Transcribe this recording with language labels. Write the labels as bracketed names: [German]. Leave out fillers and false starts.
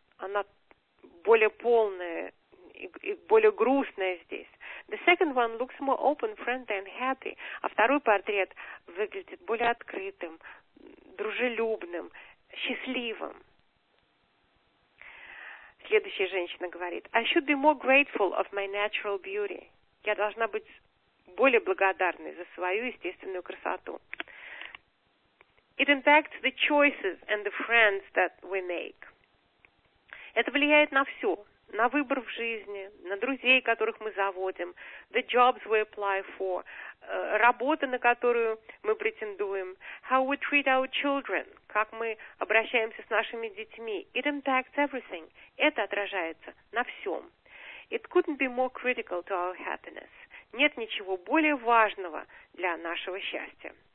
[Russian] она более полная и более грустная здесь. [English] The second one looks more open, friendly and happy. [Russian] А второй портрет выглядит более открытым, дружелюбным, счастливым. Следующая женщина говорит: [English] I should be more grateful of my natural beauty. [Russian] Я должна быть более благодарной за свою естественную красоту. [English] It impacts the choices and the friends that we make. [Russian] Это влияет на все. На выбор в жизни, на друзей, которых мы заводим, [English] the jobs we apply for, [Russian] работа, на которую мы претендуем, [English] how we treat our children, [Russian] как мы обращаемся с нашими детьми. [English] It impacts everything. [Russian] Это отражается на всем. [English] It couldn't be more critical to our happiness. [Russian] Нет ничего более важного для нашего счастья.